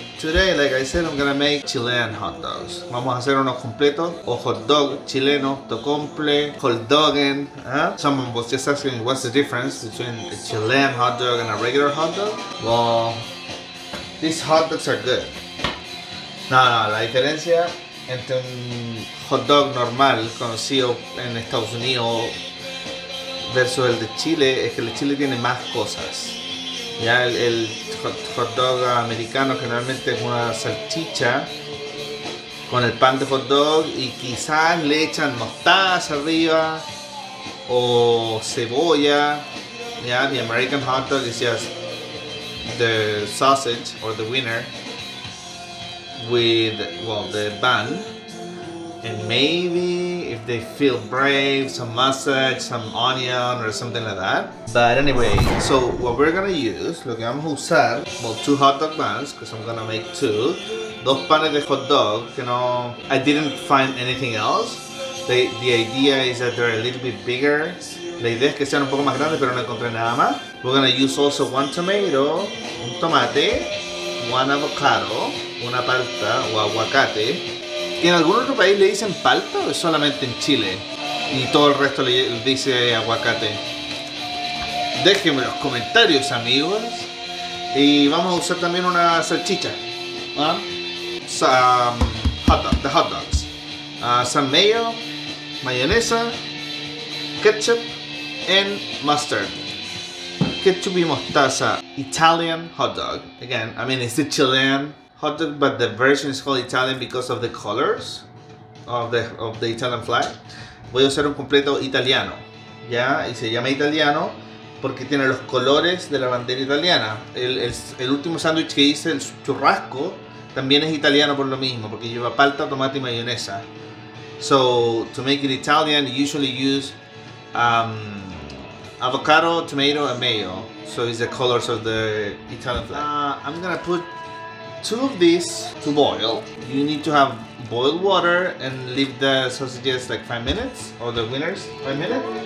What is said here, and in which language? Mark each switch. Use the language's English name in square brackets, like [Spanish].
[English] Today, like I said, I'm gonna make Chilean hot dogs. [Spanish] Vamos a hacer unos completos, o hot dog chileno, [English] to comple, hot doggen. Some of us just asking what's the difference between a Chilean hot dog and a regular hot dog. Well, these hot dogs are good. [Spanish] No, la diferencia entre un hot dog normal conocido en Estados Unidos versus el de Chile es que el de Chile tiene más cosas. Ya el hot dog americano generalmente es una salchicha con el pan de hot dog y quizás le echan mostaza arriba o cebolla. Ya [English] the American hot dog is just the sausage or the wiener with, well, the bun, and maybe if they feel brave, some mustard, some onion or something like that. But anyway, so what we're gonna use, [Spanish] lo que vamos a usar, [English] well, two hot dog buns, because I'm gonna make two, [Spanish] dos panes de hot dog, [English] you know, I didn't find anything else. The idea is that they're a little bit bigger. [Spanish] La idea es que sean un poco más grandes, pero no encontré nada más. [English] We're gonna use also one tomato, [Spanish] un tomate, [English] one avocado, [Spanish] una palta o aguacate, que en algún otro país le dicen palta o es solamente en Chile y todo el resto le dice aguacate. Déjenme los comentarios, amigos. Y vamos a usar también una salchicha, hot dogs, [English] some mayo, [Spanish] mayonesa, [English] ketchup and mustard. [Spanish] Ketchup y mostaza. [English] Italian hot dog. Again, I mean, it's the Chilean hot dog, but the version is called Italian because of the colors of the Italian flag. [Spanish] Voy a usar un completo italiano, ¿ya? Y se llama italiano porque tiene los colores de la bandera italiana. El último sándwich que hice, el churrasco, también es italiano por lo mismo, porque lleva palta, tomate y mayonesa. [English] So, to make it Italian, you usually use avocado, tomato and mayo. So it's the colors of the Italian flag. I'm gonna put two of these to boil. You need to have boiled water and leave the sausages like 5 minutes, or the wieners, 5 minutes.